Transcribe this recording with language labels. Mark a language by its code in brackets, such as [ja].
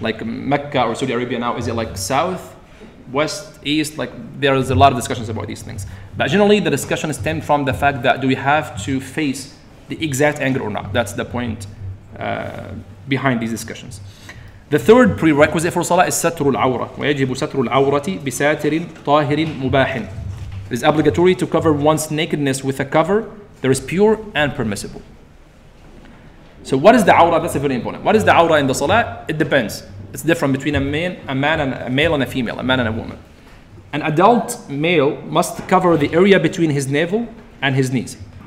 [en] Like Mecca or Saudi Arabia now, is it like south, west, east? Like, there is a lot of discussions about these things. But generally, the discussion stems from the fact that do we have to face the exact angle or not? That's the point behind these discussions. The third prerequisite for salah is satr al-awra. [ar] ويجب ستر العورة بساتر طاهر مباح. [en] It is obligatory to cover one's nakedness with a cover that is pure and permissible. So what is the awra? That's very important. What is the awra in the salah? It depends. It's different between a male and a female, a man and a woman. An adult male must cover the area between his navel and his knees.